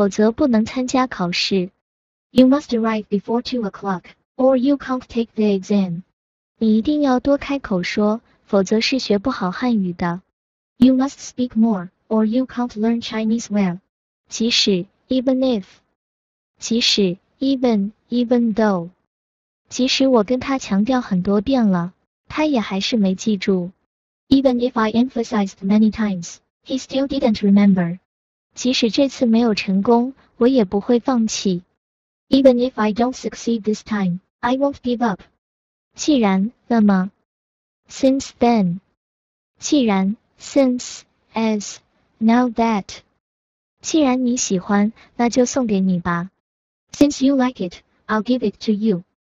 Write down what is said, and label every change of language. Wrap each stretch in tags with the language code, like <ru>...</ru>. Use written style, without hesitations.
<zh>2点之前必须到,否则不能参加考试。</zh> <en>You must arrive before 2 o'clock, or you can't take the exam.</en> <zh>你一定要多开口说,否则是学不好汉语的。</zh> <en>You must speak more, or you can't learn Chinese well.</en> <zh>即使,</zh> <en>even though.</en> <zh>即使我跟他强调很多遍了,他也还是没记住。</zh> <en>Even if I emphasized many times, he still didn't remember.</en> <zh>即使这次没有成功,我也不会放弃。</zh> <en>Even if I don't succeed this time, I won't give up.</en> <zh>既然,那么,</zh> <en>since then,</en> <zh>既然,</zh> <en>since, as, now that,</en> <zh>既然你喜欢,那就送给你吧。</zh> <en>Since you like it, I'll give it to you.</en>